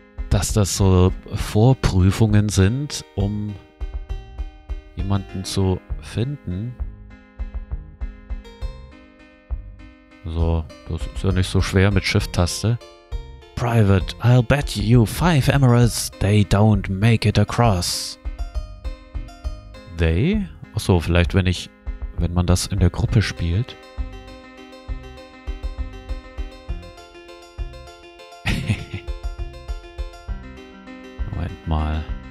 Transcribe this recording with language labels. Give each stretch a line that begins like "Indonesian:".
German: Dass das so Vorprüfungen sind, um jemanden zu finden. So, das ist ja nicht so schwer mit Shift-Taste.
English: Private, I'll bet you 5 emeralds they don't make it across. They?
German: Achso, vielleicht wenn man das in der Gruppe spielt. Moment mal.